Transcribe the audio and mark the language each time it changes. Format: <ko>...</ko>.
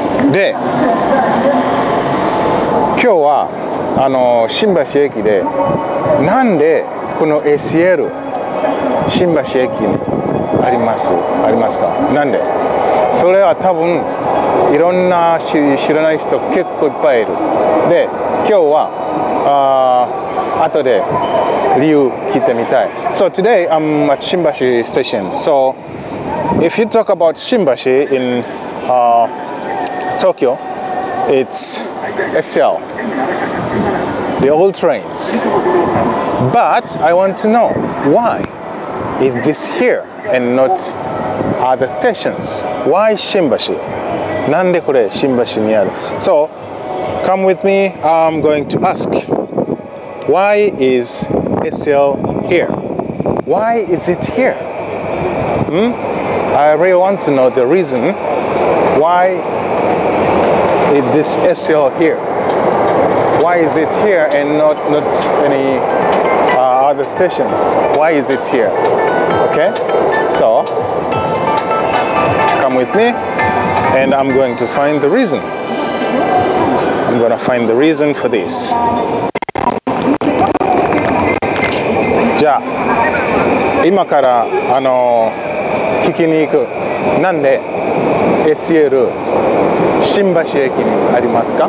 <ja>で、今日はあの新橋駅で、なんでこの SL 新橋駅にありますか？なんで？それは多分いろんな知らない人結構いっぱいいる。で、今日は後で理由聞いてみたい。</ja> <en>So today I'm at 新橋 station. So if you talk about 新橋 in Tokyo, it's SL, the old trains. But I want to know why is this here and not other stations? Why 新橋？</en> <ja>なんでこれ新橋にある？</ja> <en>So, come with me. I'm going to ask. Why is SL here? Why is it here? I really want to know the reason. Why is this SL here? Why is it here and not any other stations? Why is it here? Okay? So, come with me. And I'm going to find the reason. I'm going to find the reason for this.</en> <ja>じゃあ、今からあの聞きに行く。なんで SL 新橋駅にありますか？</ja>